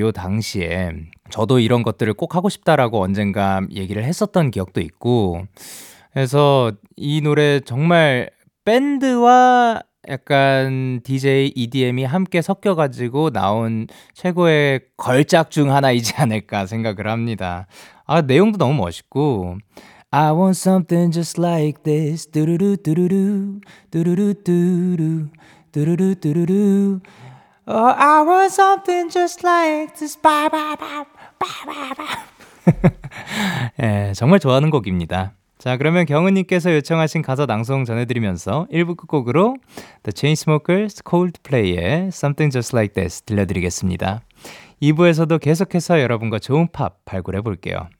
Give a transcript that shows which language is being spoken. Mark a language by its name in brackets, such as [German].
[Korean] 요 당시에 저도 이런 것들을 꼭 하고 싶다라고 언젠가 얘기를 했었던 기억도 있고, 그래서 이 노래 정말 밴드와 약간 DJ EDM이 함께 섞여가지고 나온 최고의 걸작 중 하나이지 않을까 생각을 합니다. 아, 내용도 너무 멋있고, [English] I want something just like this. 두루루 두루루 두루루 두루루 두루루 두루루. Oh, I want something just like this. 바바밤 바바밤. [Korean] 예, 정말 좋아하는 곡입니다. 자, 그러면 경은님께서 요청하신 가사 낭송 전해드리면서 1부 끝곡으로 The Chainsmokers Coldplay의 Something Just Like This 들려드리겠습니다. 2부에서도 계속해서 여러분과 좋은 팝 발굴해볼게요.